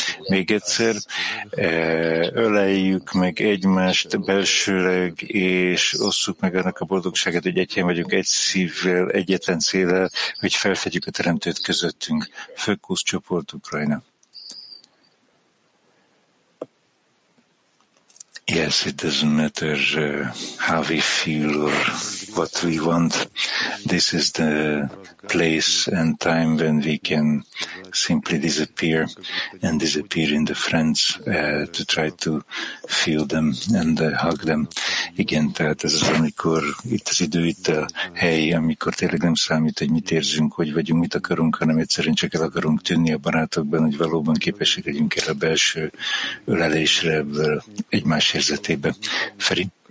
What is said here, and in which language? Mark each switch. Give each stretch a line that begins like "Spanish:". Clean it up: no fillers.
Hungarian: Még egyszer, öleljük meg egymást belsőleg, és osszuk meg annak a boldogságát, hogy egy helyen vagyunk, egy szívvel, egyetlen célra, hogy felfedjük a Teremtőt közöttünk. Fökusz csoport Ukrajna.
English: Yes, it doesn't matter how we feel or what we want. This is the place and time when we can simply disappear and disappear in the friends to try to feel them and hug them.
Hungarian: Igen, tehát ez az, amikor itt az idő, itt a hely, amikor tényleg nem számít, hogy mit érzünk, hogy vagyunk, mit akarunk, hanem egyszerűen csak el akarunk tűnni a barátokban, hogy valóban képesek legyünk erre a belső ölelésre, egymás érzetébe. Feri?